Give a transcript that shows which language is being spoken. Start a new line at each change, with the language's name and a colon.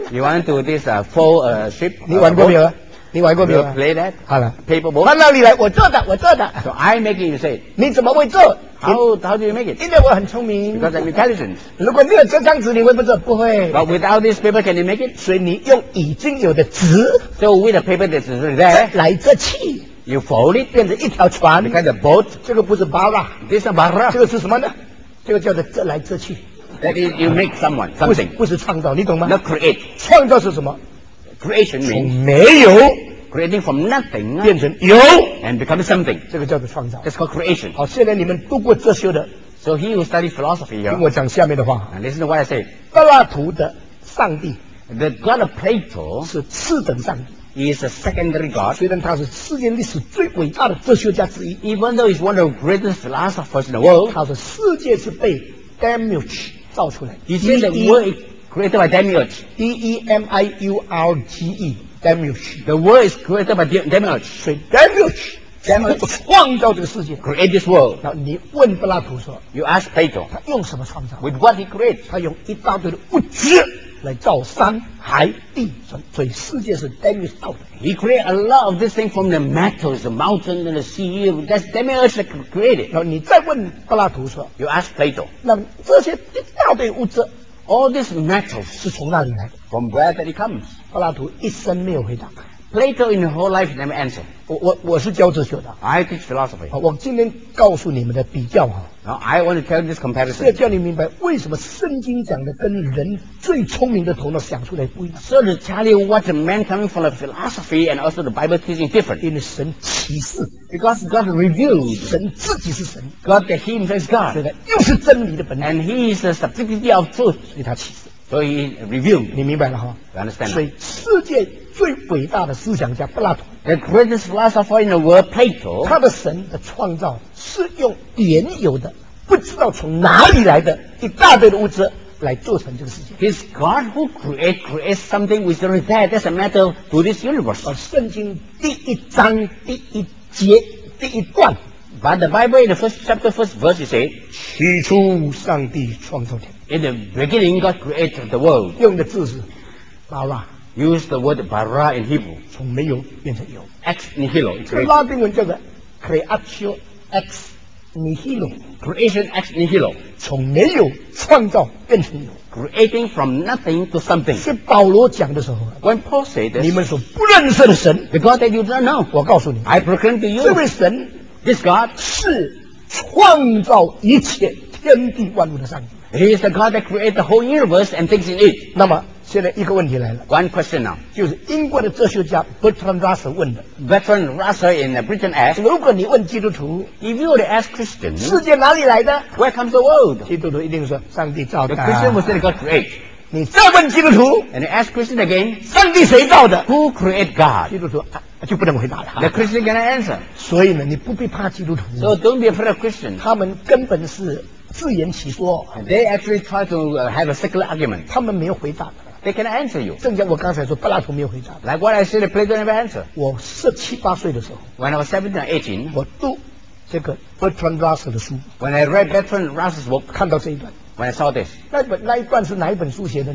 English: you want to do this fold a ship.
Chinese: 你玩过没有啊你玩过没有、
English: we'll、play that?
Chinese: 好了
English: paper boat.
Chinese: 搬到你来我做的我做的
English: so I make it you say
Chinese: 你怎么会做
English: How do you make it?
Chinese: 因为我很聪明
English: Because I'm intelligent.
Chinese: 如果没有这张纸你会不做不会
English: But without this paper can you make it?
Chinese: 所以你用已经有的纸
English: So with the paper that's there
Chinese: 来这气
English: You fold it
Chinese: 变成一条船
English: Because the boat
Chinese: 这个不是 barra
English: This is a barra
Chinese: 这个是什么呢这个叫做这来这气
English: That is you make someone something
Chinese: 不是创造你懂吗
English: Not create
Chinese: 创造是什么
English: Creation means
Chinese: 从没有
English: Creating from nothing
Chinese: 变成有
English: and become something
Chinese: 这个叫做创造
English: That's called creation
Chinese: 好现在你们读过这些的
English: So he who studied philosophy
Chinese: 听我讲下面的话
English: And listen to what I say
Chinese: 柏拉图的上帝
English: The God of Plato
Chinese: 是次等上帝
English: He is a secondary God
Chinese: 虽然他是世界历史最伟大的哲学家之一
English: Even though he's one of the greatest philosophers in the world
Chinese: 他说世界是被 Demiurge 造出来
English: He said the word created by Demiurge D-E-M-I-U-R-G-EDemiurge. The world is created by Demiurge.
Chinese: So Demiurge 创造这个世界
English: Create this world.
Chinese: 然后你问柏拉图说
English: You ask Plato.
Chinese: 他用什么创造
English: With what he creates.
Chinese: 他用一大堆的物质来造山海地所以世界是 Demiurge 造的
English: He created a lot of this thing from the metals, the mountains, and the sea. That's Demiurge that created.
Chinese: 然后你再问柏拉图说
English: You ask Plato.
Chinese: 那这些一大堆物质
English: All these metals
Chinese: 是从哪里来的
English: From where that it comes.
Chinese: 柏拉图一生没有回答。
English: Plato in his whole life never answered.
Chinese: 我是教哲学的。
English: I teach philosophy.
Chinese: 我今天告诉你们的比较哈。
English: Now I want to tell you this comparison.
Chinese: 要叫你明白为什么圣经讲的跟人最聪明的头脑想出来不一样。
English: So to tell you what the man coming from the philosophy and also the Bible teaching different.
Chinese: 因为神启示。
English: Because God revealed.
Chinese: 神自己是神。
English: God that he is God.
Chinese: 所以他又是真理的本来。
English: And he is the subjectivity of truth.
Chinese: 所以他启示。所以
English: review
Chinese: 你明白了哈
English: you understand
Chinese: 所以世界最伟大的思想家柏拉图
English: the greatest philosopher in the world Plato
Chinese: 他的神的创造是用原有的不知道从哪里来的一大堆的物质来做成这个世界
English: his God who creates something which is there that's a matter to this universe
Chinese: 而圣经第一章第一节第一段
English: but the Bible in the first chapter first verse you say
Chinese: 起初上帝创造天
English: In the beginning, God created the world.
Chinese: 用的字是 bara.
English: Use the word bara in Hebrew.
Chinese: 从没有变成有
Latin: Ex nihilo.
Chinese: 这拉丁文叫做
Latin: creatio ex nihilo.
English: Creation
Latin: ex nihilo.
Chinese: 从没有创造变成有
English: Creating from nothing to something.
Chinese: 是保罗讲的时候
English: When Paul said this,
Chinese: 你们所不认识的神
English: the God that you don't know.
Chinese: 我告诉你
English: I proclaim to you.
Chinese: 这位神
English: this God
Chinese: 是创造一切天地万物的上帝。
English: He is the God that created the whole universe and things in it.
Chinese: 那么现在一个问题来了。
English: One question now.
Chinese: 就是英国的哲学家 Bertrand Russell 问的。
English: Bertrand Russell in Britain asked.
Chinese: 如果你问基督徒
English: ，If you were to ask Christians,
Chinese: 世界哪里来的
English: ？Where comes the world?
Chinese: 基督徒一定说上帝造的。
English: The Christian would say God create.
Chinese: 你再问基督徒
English: ，And ask Christian again,
Chinese: 上帝谁造的
English: ？Who create God?
Chinese: 基督徒、就不能回答了。
English: The Christian cannot answer.
Chinese: 所以呢，你不必怕基督徒。
English: So don't be afraid of Christians.
Chinese: 他们根本是。自言其说
English: They actually try to have a secular argument
Chinese: 他们没有回答
English: They cannot answer you
Chinese: 正像我刚才说柏拉图没有回答
English: Like what I said Plato never answered
Chinese: 我十七八岁的时候
English: When I was 17 or 18
Chinese: 我读这个 Bertrand Russell 的书
English: When I read Bertrand Russell's book
Chinese: 看到这一段
English: When I saw this
Chinese: 那一段是哪一本书写的